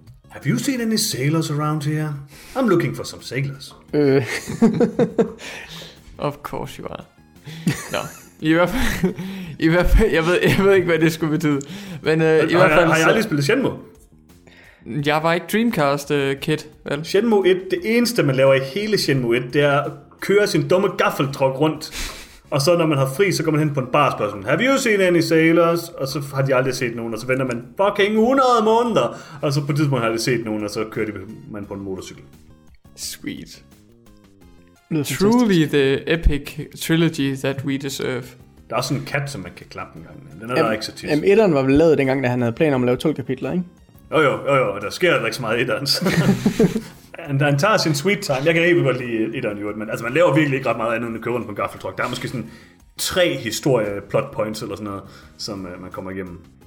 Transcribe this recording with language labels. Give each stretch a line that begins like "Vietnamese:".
English: Have you seen any sailors around here? I'm looking for some sailors. Of course you are.
Danish: Nå, i hvert fald jeg ved ikke, hvad det skulle betyde. Men har jeg aldrig spillet Shenmue? Jeg var ikke Dreamcast kid, vel? Shenmue 1, det eneste man laver i hele Shenmue 1, det er at køre sin dumme gaffeltruk rundt. Og så når man har fri, så går man hen på en bar og spørger sådan,
English: have you seen any sailors?
Danish: Og så har de aldrig set nogen, og så venter man fucking 100 måneder. Og så på det tidspunkt har de set nogen, og så kører man på en motorcykel.
English: Sweet. Truly the epic trilogy that we deserve.
Danish: Der er også en kat, som man kan klappe en gang. Den er der ikke så tit. Etteren var vel lavet dengang, da han havde planer om at lave 12 kapitler, ikke? Jo, der sker der ikke så meget etterens. Han tager sin sweet time. Jeg kan ikke godt lide etteren, men altså, man laver virkelig ikke ret meget andet end at køre rundt på en gaffeltruk. Der er måske sådan tre historie plot points eller sådan noget, som man kommer igennem.